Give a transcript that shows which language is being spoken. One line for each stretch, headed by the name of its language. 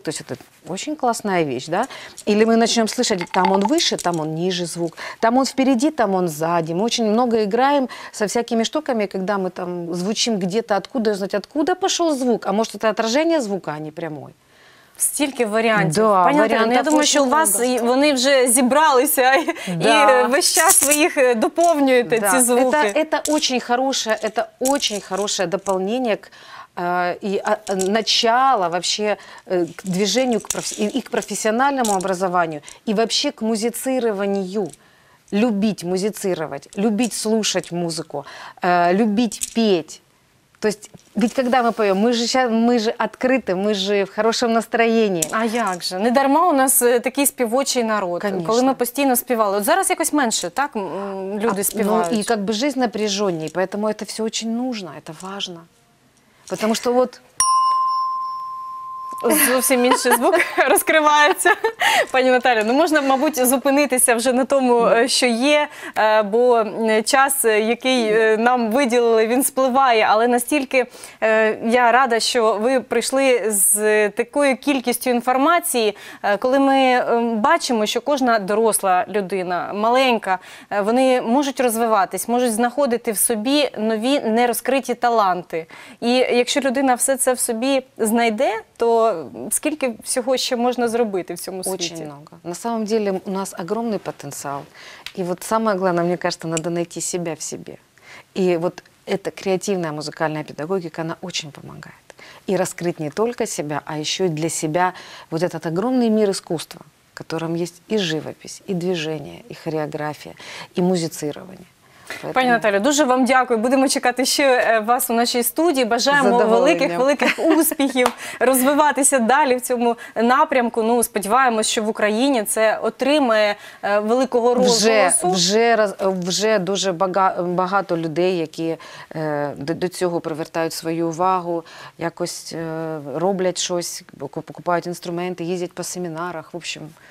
Russian: То есть это очень классная вещь, да? Или мы начнем слышать, там он выше, там он ниже звук, там он впереди, там он сзади. Мы очень много играем со всякими штуками, когда мы там звучим где-то откуда, знать, откуда пошел звук, а может это отражение звука, а не прямой.
Ukrainian: Стільки варіантів.
Russian: Да,
Ukrainian: пані Наталі, я думаю, що у вас вони вже зібралися, да. І весь час ви їх доповнюєте, да. Ці звуки.
Russian: Это очень хорошее, это очень хорошее дополнение к и начало вообще к движению к профессиональному образованию и вообще к музицированию. Любить музицировать, любить слушать музыку, любить петь. То есть, ведь когда мы поем, мы же сейчас, мы же открыты, мы же в хорошем настроении.
Ukrainian: А як же? Не дарма у нас такий співочий народ.
Russian: Конечно.
Ukrainian: Коли ми постійно співали. От зараз якось менше, так, люди співають.
Russian: Ну, і как бы жизнь напряженней, поэтому это все очень нужно, это важно. Потому что вот...
Ukrainian: Зовсім інший звук розкривається. Пані Наталя, ну можна, мабуть, зупинитися вже на тому, що є, бо час, який нам виділили, він спливає. Але настільки я рада, що ви прийшли з такою кількістю інформації, коли ми бачимо, що кожна доросла людина, маленька, вони можуть розвиватись, можуть знаходити в собі нові нерозкриті таланти. І якщо людина все це в собі знайде,
Russian: то сколько всего еще можно сделать в этом мире? Очень много. На самом деле у нас огромный потенциал. И вот самое главное, мне кажется, надо найти себя в себе. И вот эта креативная музыкальная педагогика, она очень помогает. И раскрыть не только себя, а еще и для себя вот этот огромный мир искусства, в котором есть и живопись, и движение, и хореография, и музицирование. Поэтому...
Ukrainian: Пані Наталя, дуже вам дякую. Будемо чекати ще вас у нашій студії. Бажаємо великих-великих успіхів розвиватися далі в цьому напрямку. Ну, сподіваємось, що в Україні це отримає великого розголосу. Вже дуже багато людей, які до цього привертають свою увагу, якось роблять щось, покупають інструменти, їздять по семінарах,
Russian: в общем...